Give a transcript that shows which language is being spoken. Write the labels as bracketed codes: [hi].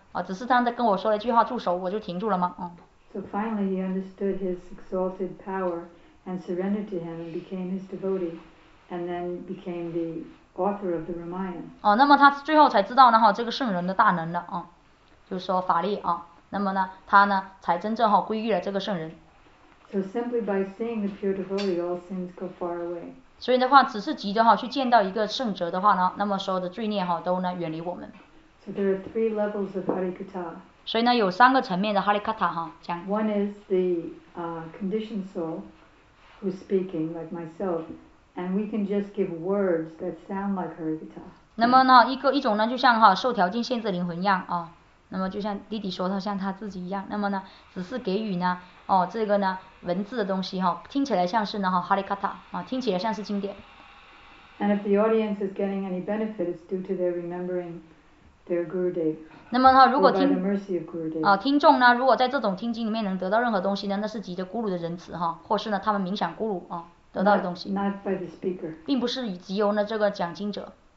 [zh] 然后呢，他就真的停住了，他自己都觉得很惊讶，他说我为什么要住手呢？只是他跟我说了一句话，住手，我就停住了吗？ [en] So finally he understood his exalted power and surrendered to him and became his devotee and then became the author of the Ramayana. [zh] 那么他最后才知道呢，这个圣人的大能了，就是说法力。那么呢，他呢才真正归依了这个圣人。 [en] So simply by seeing the pure devotee, all sins go far away. [zh] 所以的话，只是急着去见到一个圣者的话呢，那么所有的罪孽都呢远离我们。 [en] So there are three levels of Harikatha. [zh] 所以呢，有三个层面的 Harikatha 哈，讲。 [en] One is the conditioned soul who's speaking, like myself, and we can just give words that sound like Harikatha. [zh] 那么呢，一种呢，就像受条件限制灵魂一样啊。那么就像弟弟说的，像他自己一样，那么呢，只是给予呢，这个呢，文字的东西哈，听起来像是呢哈哈利卡塔啊，听起来像是经典。 [en] And if the audience is getting any benefit, it's due to their remembering their Gurudev. [zh] 那么哈，如果听 [en] by the mercy of Gurudev. [zh] 听众呢，如果在这种听经里面能得到任何东西呢，那是藉着咕噜的仁慈哈，或是呢，他们冥想咕噜啊得到的东西。 [en] Not by the speaker. [zh] 并不是藉由呢这个讲经者。